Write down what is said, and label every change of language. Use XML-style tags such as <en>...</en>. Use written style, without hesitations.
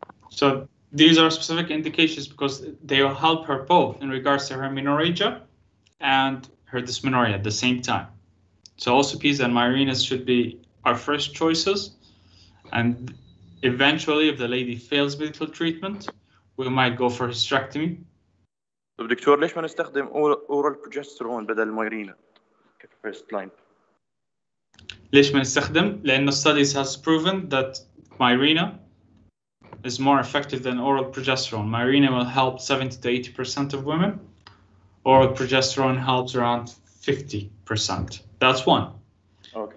<en>So, these are specific indications because they will help her both in regards to her menorrhagia and her dysmenorrhea at the same time. So OCPs and Mirenas should be our first choices. And eventually, if the lady fails medical treatment, we might go for hysterectomy.</en> <ar>دكتور ليش ما نستخدم</ar> <en>oral progesterone</en> <ar>بدل المايرينا</ar> <en>first line؟</en> <ar>ليش ما نستخدم؟ لأن</ar> <en>studies has proven that myrina is more effective than oral progesterone. Myrina will help 70-80% of women. Oral progesterone helps around 50%. That's one. Okay.</en>